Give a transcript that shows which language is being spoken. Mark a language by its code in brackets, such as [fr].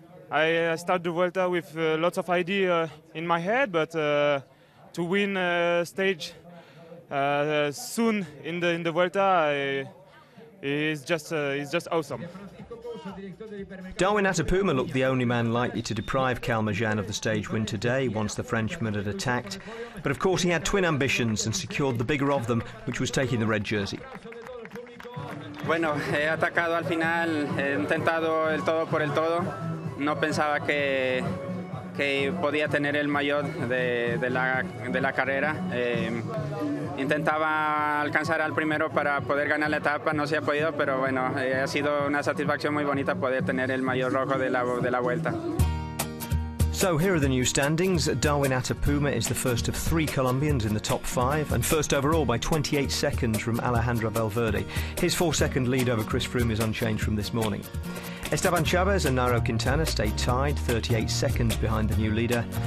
[en] I start the Vuelta with lots of ideas in my head, but to win a stage soon in the Vuelta is just awesome. Darwin Atapuma looked the only man likely to deprive Calmejan of the stage win today once the Frenchman had attacked. But of course he had twin ambitions and secured the bigger of them, which was taking the red jersey. [es] Bueno, he atacado al final, he intentado el todo por el todo. No pensaba que podía tener el maillot de la carrera. Intentaba alcanzar al primero para poder ganar la etapa, no se ha podido, pero bueno, ha sido una satisfacción muy bonita poder tener el maillot rojo de la vuelta. [en] So here are the new standings. Darwin Atapuma is the first of 3 Colombians in the top 5, and first overall by 28 seconds from Alejandro Valverde. His 4-second lead over Chris Froome is unchanged from this morning. Esteban Chavez and Nairo Quintana stay tied, 38 seconds behind the new leader.